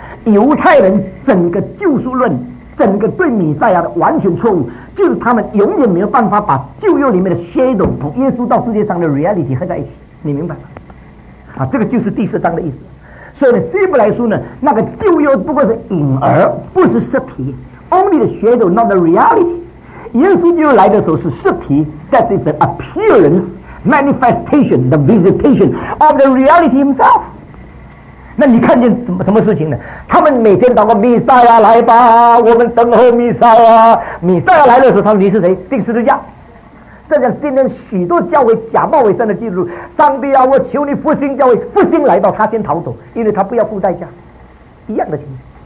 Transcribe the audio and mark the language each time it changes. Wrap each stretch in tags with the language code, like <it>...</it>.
<zh>犹太人整个救赎论，整个对弥赛亚的完全错误，就是他们永远没有办法把旧约里面的 shadow 同耶稣到世界上的 reality 合在一起，你明白吗？啊，这个就是第四章的意思。所以呢，希伯来书呢，那个旧约不过是影儿，不是实体。</zh> <en>Only the shadow, not the reality.</en> <zh>耶稣基督来的时候是实体，</zh> <en>that is the appearance, manifestation, the visitation of the reality himself.</en> <zh>那你看见什么事情呢？他们每天祷告，弥赛亚来吧，我们等候弥赛亚。弥赛亚来的时候，他们你是谁？钉十字架。这样今天许多教会假冒伪善的基督徒，上帝啊，我求你复兴教会，复兴来到他先逃走，因为他不要付代价，一样的情形。</zh>